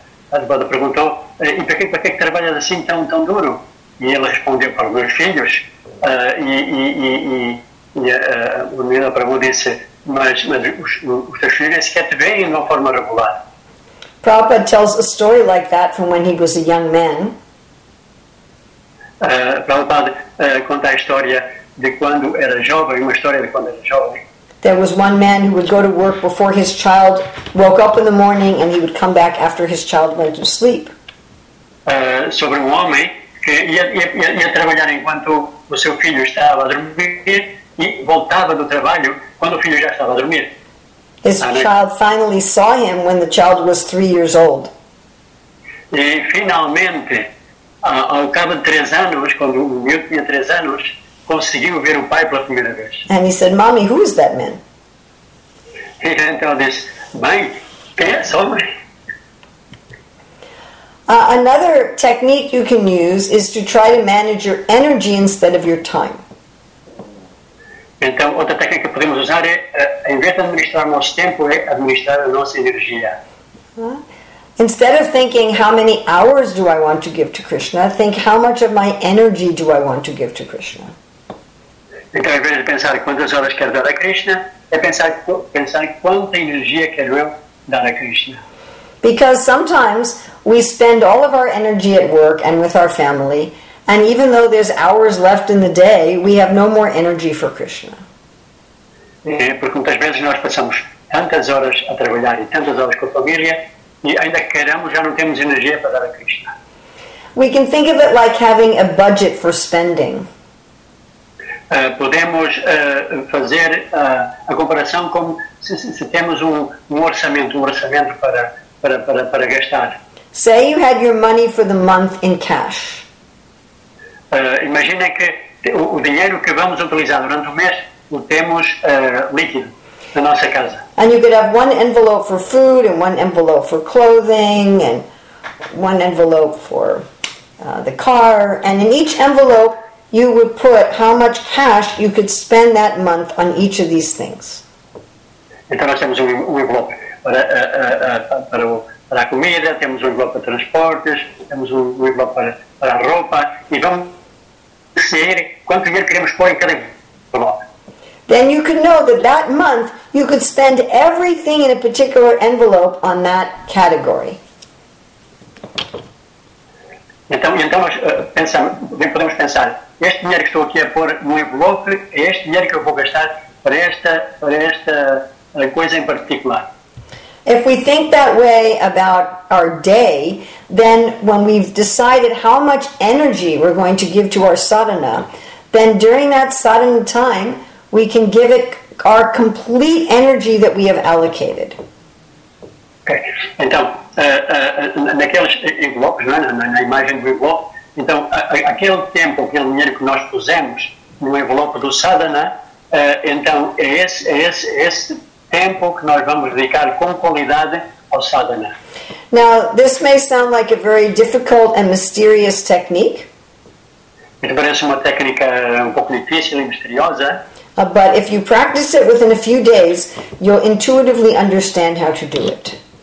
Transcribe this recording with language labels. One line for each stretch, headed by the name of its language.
Portuguese: Adubada perguntou, e para que trabalhas assim tão duro? E ele respondeu, para os meus filhos. O menino Prabhu disse, mas os teus filhos sequer te veem de uma forma regular.
English: Prabhupada tells a story like that from when he was a young man.
Portuguese: Prabhupada conta a história de quando era jovem, uma história de quando era jovem.
English: There was one man who would go to work before his child woke up in the morning, and he would come back after his child went to sleep.
Portuguese: Sobre um homem que ia trabalhar enquanto o seu filho estava a dormir e voltava do trabalho quando o filho já estava a dormir.
English: His child finally saw him when the child was 3 years old.
Portuguese: E finalmente, ao cabo de 3 anos, quando o meu tinha 3 anos, conseguiu ver o pai pela primeira vez.
English: And he said, Mommy, who is that man?
Portuguese: E então disse, Mãe, quem é esse homem?
English: Another technique you can use is to try to manage your energy instead of your time.
Portuguese: Então, outra técnica que podemos usar é, em vez de administrar o nosso tempo, é administrar a nossa energia.
English: Instead of thinking, how many hours do I want to give to Krishna, think, how much of my energy do I want to give to Krishna?
Portuguese: Então, em vez de pensar quantas horas quero dar a Krishna, é pensar quanta energia quero eu dar a Krishna.
English: Because sometimes we spend all of our energy at work and with our family, and even though there's hours left in the day, we have no more energy for Krishna.
Portuguese: Porque muitas vezes nós passamos tantas horas a trabalhar e tantas horas com a família, e ainda que queramos, já não temos energia para dar a Krishna.
English: We can think of it like having a budget for spending.
Portuguese: Podemos fazer a comparação como se temos um orçamento para gastar.
English: Say you had your money for the month in cash.
Portuguese: Imagine que o dinheiro que vamos utilizar durante o mês o temos líquido na nossa casa.
English: And you could have one envelope for food and one envelope for clothing and one envelope for the car, and in each envelope you would put how much cash you could spend that month on each of these things.
Portuguese: Então nós temos um envelope para a comida, temos um envelope para transportes, temos um envelope para a roupa, e vamos decidir quanto dinheiro queremos pôr em cada envelope.
English: Then you could know that month you could spend everything in a particular envelope on that category.
Portuguese: Então nós podemos pensar, este dinheiro que estou aqui a pôr no envelope é este dinheiro que eu vou gastar para esta coisa em particular.
English: If we think that way about our day, then when we've decided how much energy we're going to give to our sadhana, then during that sadhana time, we can give it our complete energy that we have allocated. Okay.
Portuguese: Então, naqueles blocos, na imagem do envelope, então, aquele tempo, aquele dinheiro que nós pusemos no envelope do sadhana, então, é esse tempo que nós vamos dedicar com qualidade ao sadhana.
English: Now, this may sound like a very difficult and mysterious technique.
Portuguese: Isto parece uma técnica um pouco difícil e misteriosa.
English: But if you practice it within a few days, you'll intuitively understand how to do it.